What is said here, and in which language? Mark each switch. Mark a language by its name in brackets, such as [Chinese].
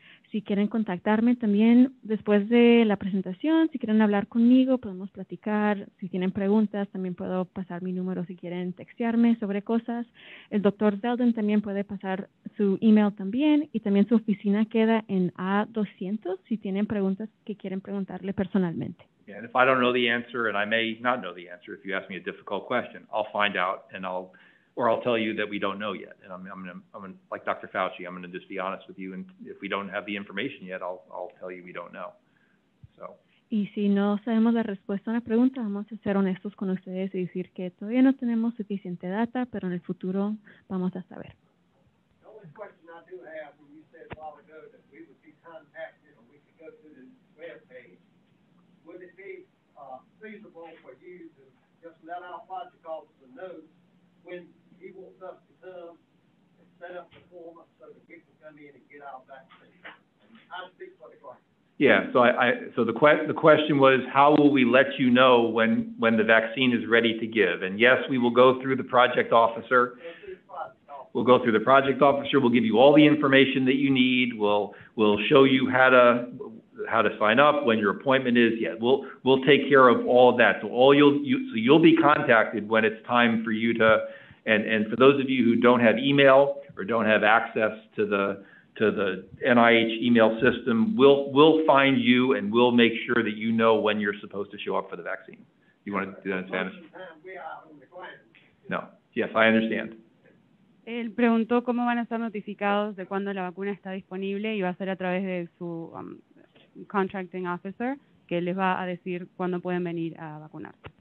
[Spanish] Si quieren contactarme también después de la presentación, si quieren hablar conmigo, podemos platicar. Si tienen preguntas, también puedo pasar mi número si quieren textearme sobre cosas. El doctor Zeldin también puede pasar su email también. Y también su oficina queda en A200 si tienen preguntas que quieren preguntarle personalmente. [English] Yeah, and if I don't know the answer, and I may not know the answer, if you ask me a difficult question, I'll find out and I'll tell you that we don't know yet. And I'm gonna, like Dr. Fauci, I'm going to just be honest with you. And if we don't have the information yet, I'll tell you we don't know. So. [Spanish] Y si no sabemos la respuesta a una pregunta, vamos a ser honestos con ustedes y decir que todavía no tenemos suficiente data, pero en el futuro vamos a saber. [English] The only question I do have, when you said a while ago that we would be contacted or we could go to the webpage, would it be feasible for you to just let our project officer know when he wants us to come and set up the form so that we can come in and get our vaccine? I speak for the client. Yeah, so the question was, how will we let you know when the vaccine is ready to give? And yes, we will go through the project officer. We'll go through the project officer. We'll give you all the information that you need. We'll show you how to sign up, when your appointment is. Yeah, we'll take care of all of that. So you'll be contacted when it's time for you to. And for those of you who don't have email or don't have access to the NIH email system, we'll find you and we'll make sure that you know when you're supposed to show up for the vaccine. You want to do that in Spanish? No. Yes, I understand. [Spanish] Él preguntó cómo van a ser notificados de cuándo la vacuna está disponible y va a ser a través de su contracting officer que les va a decir cuándo pueden venir a vacunar.